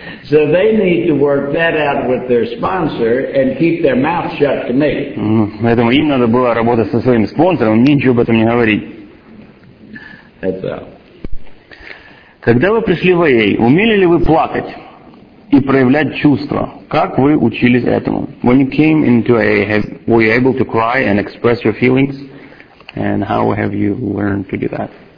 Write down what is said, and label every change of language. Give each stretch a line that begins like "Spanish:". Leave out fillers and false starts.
English: So they need to work that out with their sponsor and keep their mouth shut to me.
Russian: Поэтому им надо было работать со своим спонсором, мне ничего об этом не говорить.
English: That's all.
Russian: Когда вы пришли в АА, умели ли вы плакать и проявлять чувства? Как вы учились этому?
English: When you came into AA, were you able to cry and express your feelings? And how have you learned to do that?